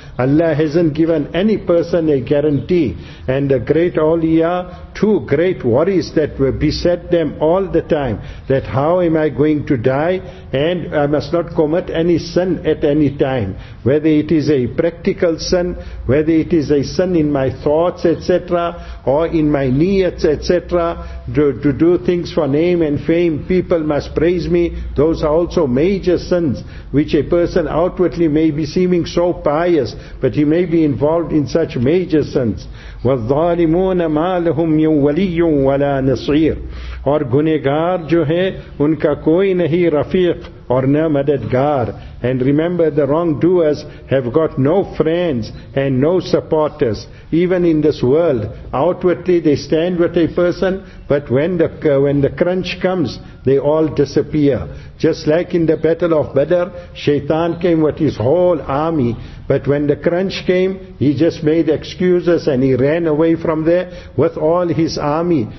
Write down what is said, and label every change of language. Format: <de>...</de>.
<en>Allah hasn't given any person a guarantee. And the great awliya, two great worries that were beset them all the time, that how am I going to die, and I must not commit any sin at any time, whether it is a practical sin, whether it is a sin in my thoughts, etc., or in my niyats, etc., to do things for name and fame, people must praise me. Those are also major sins, which a person outwardly may be seeming so pious, but he may be involved in such major sins.</en> <ar>وَالظَّالِمُونَ مَا لَهُمْ مِنْ وَلِيٌّ وَلَا نَصِيرٌ.</ar> <ur>اور گنہگار جو ہے ان کا کوئی نہیں رفیق اور نہ مددگار.</ur> <en>And remember, the wrongdoers have got no friends and no supporters. Even in this world, outwardly they stand with a person, but when the crunch comes, they all disappear. Just like in the battle of Badr, Shaitan came with his whole army, but when the crunch came, he just made excuses and he ran away from there with all his army.</en>